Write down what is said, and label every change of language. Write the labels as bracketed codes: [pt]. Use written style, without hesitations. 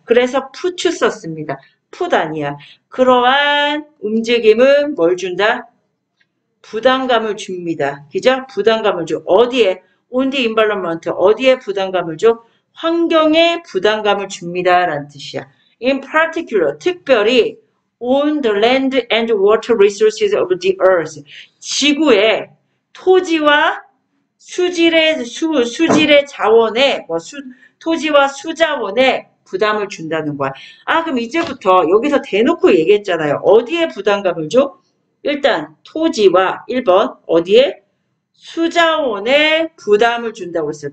[ko] 그래서 put 썼습니다. put 아니야. 그러한 움직임은 뭘 준다? 부담감을 줍니다. 그죠? 부담감을 줘. 어디에? [en] On the environment. [ko] 어디에 부담감을 줘? 환경에 부담감을 줍니다라는 뜻이야. [en] In particular, [ko] 특별히 [en] on the land and water resources of the earth. [ko] 지구의 토지와 수질의 자원에 뭐 토지와 수자원에 부담을 준다는 거야. 아, 그럼 이제부터 여기서 대놓고 얘기했잖아요. 어디에 부담감을 줘? 일단 토지와 1번 어디에 수자원에 부담을 준다고 했어요.